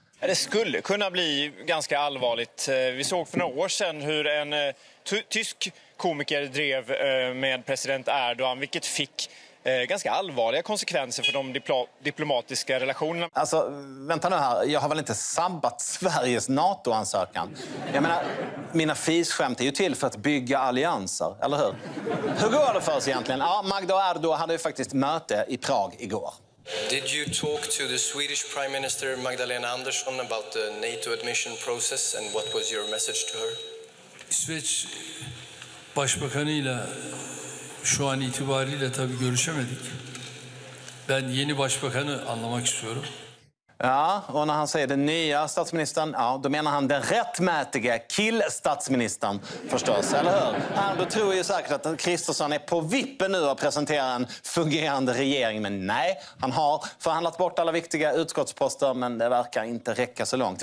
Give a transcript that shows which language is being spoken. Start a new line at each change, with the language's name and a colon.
Swedish: Det skulle kunna bli ganska allvarligt. Vi såg för några år sedan hur en tysk komiker drev med president Erdogan, vilket fick ganska allvarliga konsekvenser för de diplomatiska relationerna. Alltså, vänta nu här. Jag har väl inte sabbat Sveriges NATO-ansökan? Jag menar, mina fisskämt är ju till för att bygga allianser, eller hur? Hur går det för oss egentligen? Ja, Magda och Erdogan hade ju faktiskt möte i Prag igår.
English: Did you talk to the Swedish Prime Minister Magdalena Andersson about the NATO admission process and what was your message to her?
Turkish: İsveç Başbakanıyla şu an itibariyle tabii görüşemedik. Ben yeni başbakanı anlamak istiyorum.
Swedish: Ja, och när han säger den nya statsministern, ja, då menar han den rättmätige kill-statsministern, förstås, eller hur? Han tror ju säkert att Kristersson är på vippen nu att presentera en fungerande regering, men nej, han har förhandlat bort alla viktiga utskottsposter, men det verkar inte räcka så långt.